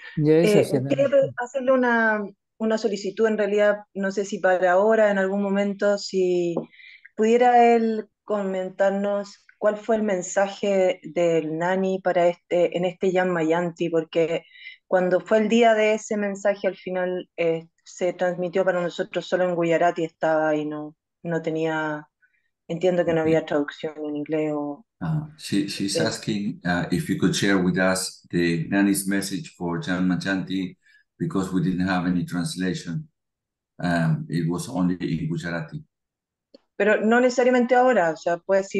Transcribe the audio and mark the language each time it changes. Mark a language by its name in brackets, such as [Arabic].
[Spanish] Quiero hacerle una solicitud, en realidad, no sé si para ahora, en algún momento, si pudiera él comentarnos cuál fue el mensaje del Nani para en este Yammayanti, porque cuando fue el día de ese mensaje, al final se transmitió para nosotros solo en Gujarati, estaba y no tenía, entiendo que no había traducción en inglés o... [English] She's asking if you could share with us the Gnani's message for Janmajanti because we didn't have any translation. It was only in Gujarati. [Spanish] Pero no necesariamente ahora, o sea, puede ser.